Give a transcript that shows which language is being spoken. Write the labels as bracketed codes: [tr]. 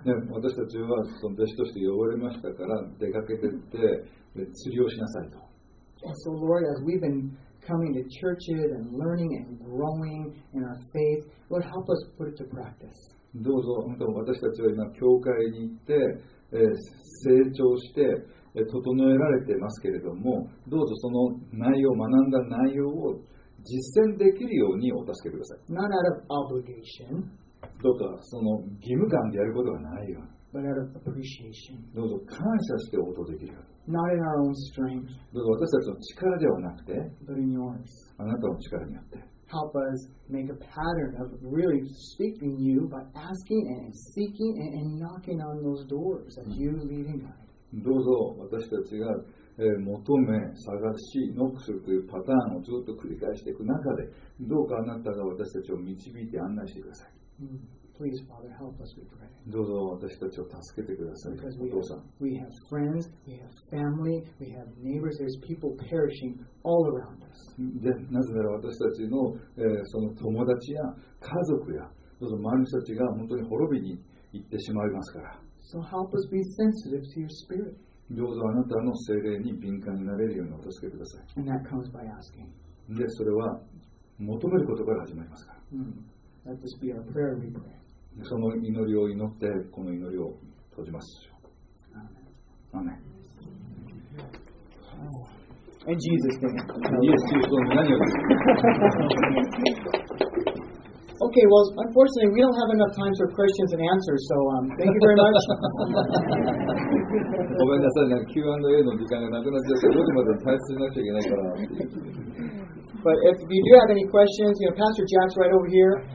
[ja] 私たちはその弟子として呼ばれましたから出かけてって釣りをしなさいと。 [en] And so, Lord, as we've beencoming to churches and learning and growing in our faith, Lord, help us put it to practice. [ja] どうぞ、本当に私たちは今教会に行って、成長して、整えられてますけれども、どうぞその内容、学んだ内容を実践できるようにお助けください。 [en] Not out of obligation. [ja] どうかその義務感でやることがないように。 [en] But out of appreciation. [ja] どうぞ感謝して応答できるように。 [en] Not in our own strength. [ja] どうぞ私たちの力ではなくて、 [en] but in yours. [ja] あなたの力によって。 [en] Help us make a pattern of really seeking you by asking and seeking and knocking on those doors as you lead and guide. [ja] どうぞ私たちが、求め、探し、ノックするというパターンをずっと繰り返していく中で、どうかあなたが私たちを導いて案内してください。 [en] Please, Father, help us, we pray. [ja] どうぞ私たちを助けてください。 [en] Because we have, we have friends, we have family, we have neighbors, there's people perishing all around us. [ja] で、なぜなら私たちの、その友達や家族や、どうぞ周りの人たちが本当に滅びに行ってしまいますから。 [en] So help us be sensitive to your spirit. [ja] どうぞあなたの聖霊に敏感になれるようにお助けください。 [en] And that comes by asking. [ja] で、それは求めることから始まりますから。 [en] Let this be our prayer, we pray. [ja] その祈りを祈ってこの祈りを閉じます。アーメン。アーメン。イエス・キリストの名により。 [en] Okay, well, unfortunately, we don't have enough time for questions and answers, so thank you very much. [ja] ごめんなさいね、Q&A の時間がなくなっちゃって、どっちまで退出しなきゃいけないから。 [en] But if you do have any questions, you know, Pastor Jack's right over here.